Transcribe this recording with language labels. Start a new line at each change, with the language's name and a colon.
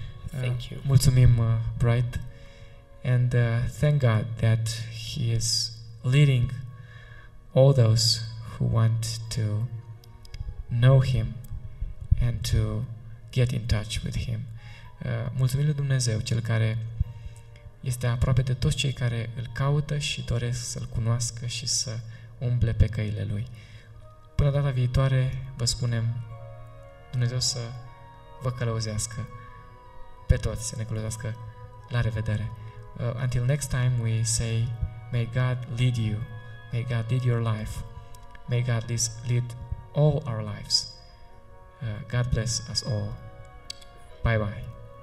English: Thank you.
Romanian: Mulțumim, Bright.
English: And thank God that He is leading all those who want to know Him and to get in touch with Him.
Romanian: Mulțumim lui Dumnezeu, Cel care este aproape de toți cei care îl caută și doresc să-l cunoască și să umble pe căile lui. Până data viitoare, vă spunem Dumnezeu să vă călăuzească pe toți, să ne călăuzească. La revedere!
English: Until next time, we say, may God lead you, may God lead your life, may God lead all our lives. God bless us all. Bye-bye!